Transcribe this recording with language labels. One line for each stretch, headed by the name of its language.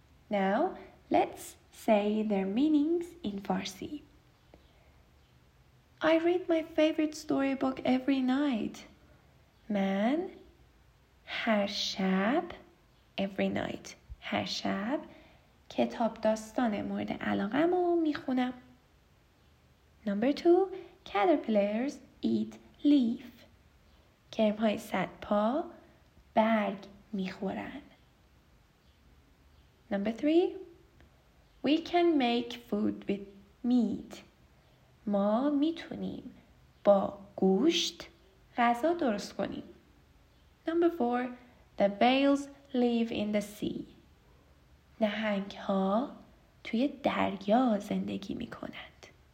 English: Now, let's say their meanings in Farsi. I read my favorite storybook every night. Man,
Persian: هر شب,
English: every night.
Persian: هر شب کتاب داستان مورد علاقه‌مو میخونم.
English: Number 2, caterpillars eat leaf.
Persian: کرم‌های صدپا برگ میخورن.
English: Number 3, we can make food with meat.
Persian: ما میتونیم با گوشت غذا درست کنیم.
English: Number 4, the whales live in the sea.
Persian: نهنگ ها توی دریا زندگی می کنند.